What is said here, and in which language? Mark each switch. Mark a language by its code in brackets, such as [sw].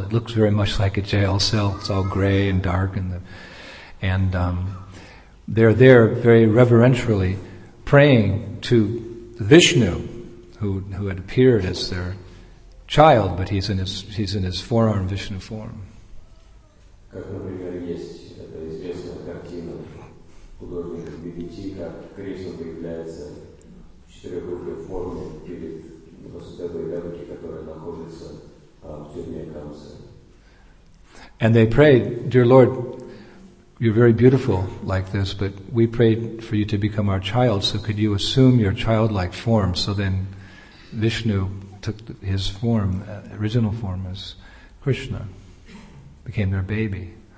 [en] It looks very much like a jail cell. It's all gray and dark, and they're there very reverentially praying to Vishnu, who had appeared as their child, but he's in his forearm, Vishnu form. [ru] Как, например, есть эта известная картина художника Бибити, как Кришна появляется в четырехрукой форме перед Васудевой Деваки, которая находится в тюрьме Камсы. [en] And they prayed, "Dear Lord, you're very beautiful like this, but we prayed for you to become our child, so could you assume your childlike form?" So then Vishnu took his form, original form as Krishna, became their baby.